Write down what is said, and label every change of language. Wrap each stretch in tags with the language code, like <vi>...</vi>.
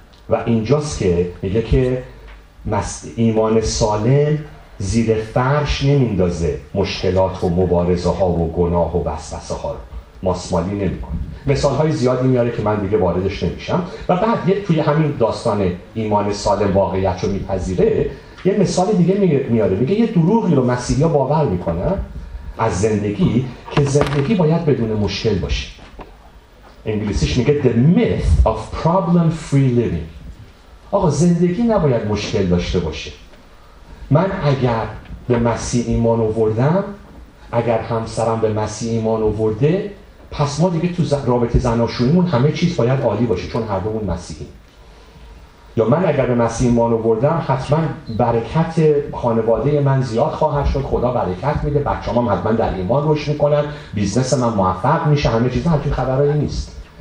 <fa>و اینجاست که میگه که ایمان سالم زیر فرش نمیندازه مشکلات و مبارزه ها و گناه و وسوسه ها رو، ماسمالی نمی کنه. مثال های زیادی میاره که من دیگه واردش نمیشم. و بعد توی همین داستان ایمان سالم واقعیت رو میپذیره، یه مثال دیگه میاره، میگه یه دروغی رو مسیحی‌ها باور میکنن از زندگی که زندگی باید بدون مشکل باشه. انگلیسیش میگه</fa> <en>The myth of problem-free living.</en> <fa>آقا زندگی نباید مشکل داشته باشه. من اگر به مسیح ایمان آوردم، اگر همسرم به مسیح ایمان آورده، پس ما دیگه تو رابطه زناشوییمون همه چیز باید عالی باشه چون هر دومون مسیحیم. یا من اگر به مسیح ایمان آوردم حتما برکت خانواده من زیاد خواهد شد، خدا برکت میده، بچه‌ام حتما در ایمان روش میکنن، بیزنس من موفق میشه، همه چیز هم چیز خبرهایی نیست.</fa>